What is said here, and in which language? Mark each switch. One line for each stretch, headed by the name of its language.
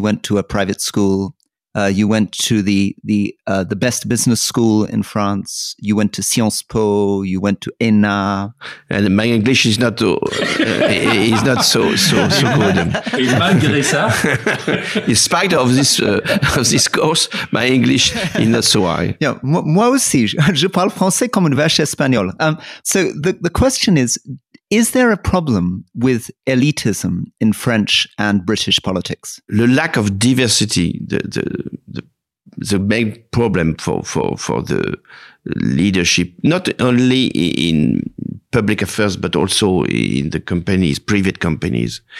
English: You went to a private school. You went to the best business school in France. You went to Sciences Po. You went to ENA. And my English is not is not so good.
French: Malgré ça,
English: in spite of this course, my English is not so high.
French: Yeah, moi aussi, je parle français comme une vache espagnole.
English: So the question is there a problem with elitism in French and British politics? The lack of diversity, the main problem for the leadership, not only in public affairs, but also in the companies, private companies.